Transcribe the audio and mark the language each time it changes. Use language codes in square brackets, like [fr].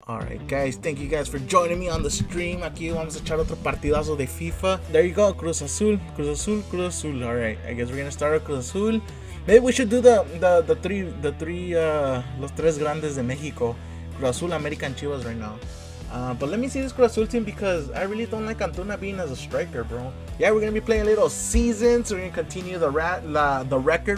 [en] Alright guys, thank you guys for joining me on the stream. [es] Aquí vamos a echar otro partidazo de FIFA. [en] There you go, Cruz Azul, Cruz Azul, Cruz Azul. Alright, I guess we're gonna start with Cruz Azul. Maybe we should do the three [es] grandes de Mexico. [en] Cruz Azul, American Chivas right now. But let me see this Cruz Azul team because I really don't like Antuna being as a striker, bro. Yeah, we're gonna be playing a little season, so we're gonna continue the record.